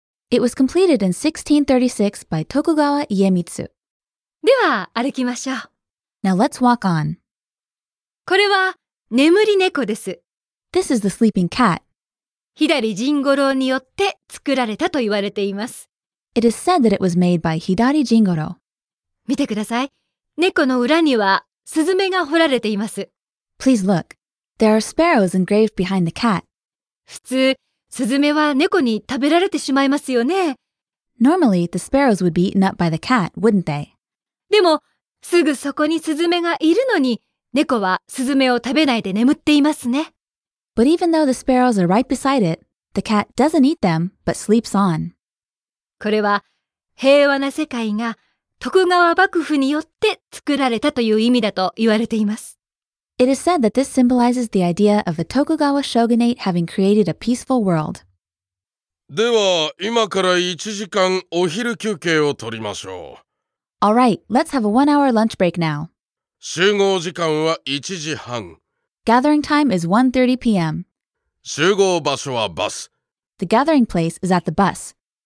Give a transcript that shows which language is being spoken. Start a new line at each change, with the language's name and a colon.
English: It was completed in 1636 by Tokugawa Iemitsu.
Japanese: では歩きましょう。
English: Now let's walk on.
Japanese: これは眠り猫です。
English: This is the sleeping cat.
Japanese: 左甚五郎によって作られたと言われています。
English: It is said that it was made by 左甚五郎。
Japanese: 見てください。猫の裏にはスズメが彫られています。
English: Please look. There are sparrows engraved behind the cat.
Japanese: 普通スズメは猫に食べられてしまいますよね。
English: Normally, the sparrows would be eaten up by the cat, wouldn't they?
Japanese: でも、すぐそこにスズメがいるのに、猫はスズメを食べないで眠っていますね。
English: But even though the sparrows are right beside it, the cat doesn't eat them, but sleeps on.
Japanese: これは、平和な世界が徳川幕府によって作られたという意味だと言われています。
English: It is said that this symbolizes the idea of the Tokugawa shogunate having created a peaceful world.
Japanese: では、今から1時間お昼休憩を取りましょう。
English: Alright, let's have a one-hour lunch break now.
Japanese: 集合時間は1時半。
English: Gathering time is 1:30 p.m.
Japanese: 集合場所はバス。
English: The gathering place is at the bus.